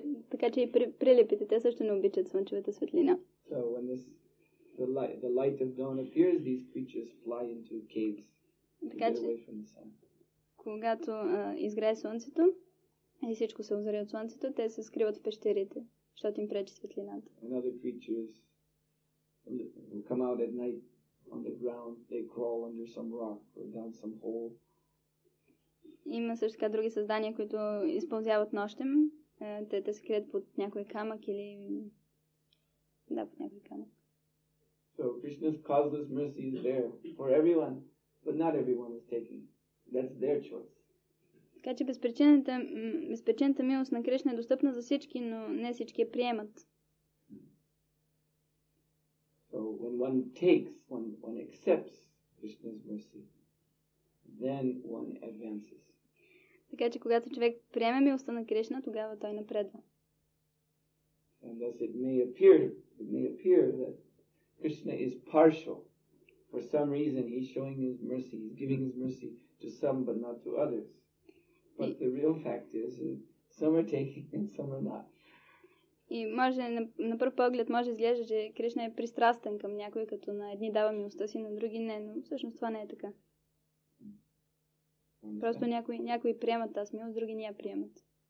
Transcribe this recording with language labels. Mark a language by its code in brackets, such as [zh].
[bg] Така че и прилепите, те също не обичат слънчевата светлина. [en] So when the light of dawn appears, these creatures fly into caves to get away from the sun. [bg] Когато изгрее слънцето и всичко се озаре от слънцето, те се скриват в пещерите, защото им пречи светлината. [en] Another creatures will come out at night on the ground, they crawl under some rock or down some hole. [bg] Има също така други създания, които използват нощем. Те се крият под някой камък или да, под някой камък. [en] So Krishna's causeless mercy is there for everyone, but not everyone is taking. That's their choice. [bg] Така че безпричинната милост на Кришна е достъпна за всички, но не всички я приемат. [en] So when one takes, one accepts Krishna's mercy, then one advances. [bg] Така че когато човек приеме милостта на Кришна, тогава той напредва. [en] And thus it may appear that Krishna is partial. For some reason he's showing his mercy, he's giving his mercy to some but not to others. But the real fact is that some are taking and some are not. [bg] И може, на пръв поглед може изглежда, че Кришна е пристрастен към някой, като на едни дава милостта си, на други не, но всъщност това не е така. Просто някои приемат тази милост, други не я приемат.